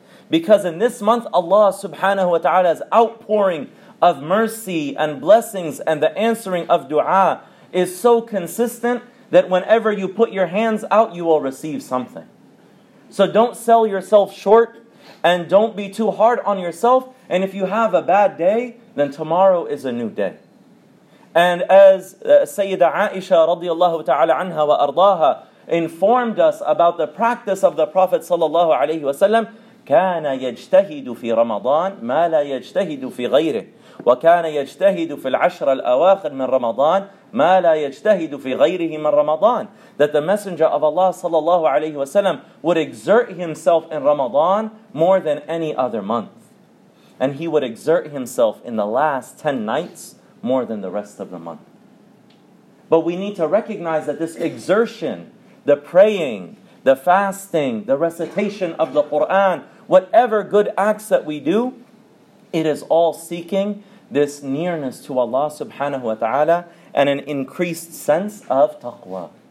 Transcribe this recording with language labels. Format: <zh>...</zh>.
<en>Because in this month, Allah subhanahu wa ta'ala is outpouring of mercy and blessings, and the answering of dua is so consistent that whenever you put your hands out, you will receive something. So don't sell yourself short and don't be too hard on yourself. And if you have a bad day, then tomorrow is a new day. And as Sayyida Aisha radiallahu ta'ala anha wa ardaha informed us about the practice of the Prophet sallallahu alayhi wa sallam,</en> <ar>كان يجتهد في رمضان ما لا يجتهد في غيره وكان يجتهد في العشر الأواخر من رمضان ما لا يجتهد في غيره من رمضان.</ar> <en>That the Messenger of Allah sallallahu alayhi wa sallam would exert himself in Ramadan more than any other month. and he would exert himself in the last 10 nights more than the rest of the month. But we need to recognize that this exertion, the praying, the fasting, the recitation of the Qur'an, whatever good acts that we do, it is all seeking this nearness to Allah subhanahu wa ta'ala and an increased sense of taqwa.</en>